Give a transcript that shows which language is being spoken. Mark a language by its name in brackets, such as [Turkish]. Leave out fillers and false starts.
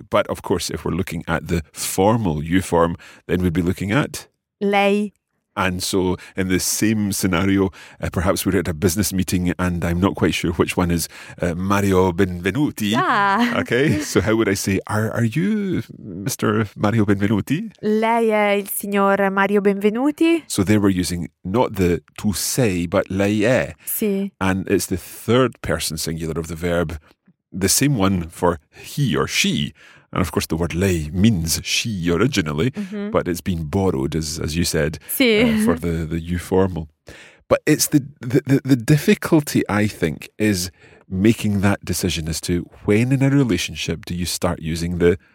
[English] But of course, if we're looking at the formal you form, then we'd be looking at? [Italian] Lei. [English] And so in the same scenario, perhaps we're at a business meeting and I'm not quite sure which one is Mario Benvenuti. Yeah. Okay, so how would I say, are you Mr. Mario Benvenuti? [Italian] Lei è il signor Mario Benvenuti. [English] So there we're using not the [Italian] tu sei, [English] but [Italian] lei è. Sì. [English] And it's the third person singular of the verb, the same one for he or she. And of course, the word lei means she originally, mm-hmm. but it's been borrowed, as you said, [Italian] sì. [English] For the euformal. But it's the difficulty, I think, is making that decision as to when in a relationship do you start using the